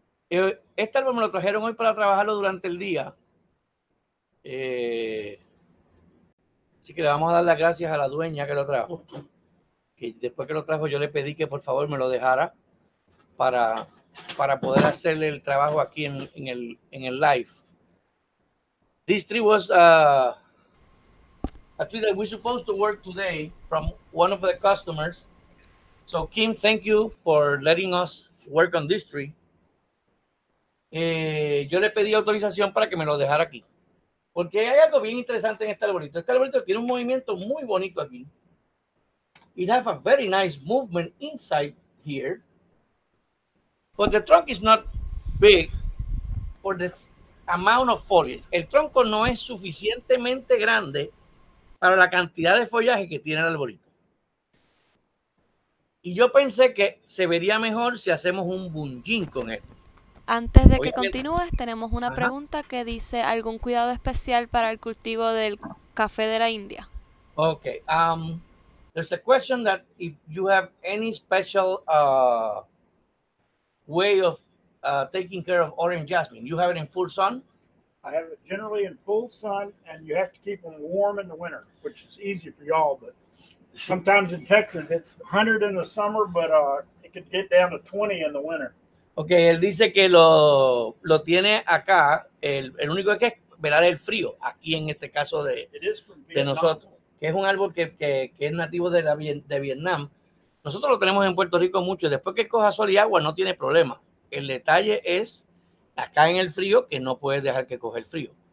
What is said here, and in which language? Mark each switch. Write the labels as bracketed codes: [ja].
[es] Este árbol me lo trajeron hoy para trabajarlo durante el día. Así que le vamos a dar las gracias a la dueña que lo trajo. Que después que lo trajo, yo le pedí que por favor me lo dejara para poder hacerle el trabajo aquí en el live. [en] This tree was a tree that we're supposed to work today from one of the customers. So, Kim, thank you for letting us work on this tree. [es] Yo le pedí autorización para que me lo dejara aquí. Porque hay algo bien interesante en este arbolito. Este arbolito tiene un movimiento muy bonito aquí. [en] It has a very nice movement inside here. But the trunk is not big for the amount of foliage. [es] El tronco no es suficientemente grande para la cantidad de follaje que tiene el arbolito. Y yo pensé que se vería mejor si hacemos un bunjin con él. Antes de que continúes, tenemos una pregunta que dice, ¿algún cuidado especial para el cultivo del café de la India? Ok. [en] There's a question that if you have any special way of taking care of orange jasmine. You have it in full sun? I have it generally in full sun, and you have to keep them warm in the winter, which is easy for y'all, but sometimes in Texas it's 100 in the summer, but it could get down to 20 in the winter. [es] Ok, él dice que lo tiene acá. El único es que es velar el frío, aquí en este caso de nosotros, que es un árbol que es nativo de Vietnam. Nosotros lo tenemos en Puerto Rico mucho. Después que coja sol y agua, no tiene problema. El detalle es acá en el frío, que no puedes dejar que coja el frío.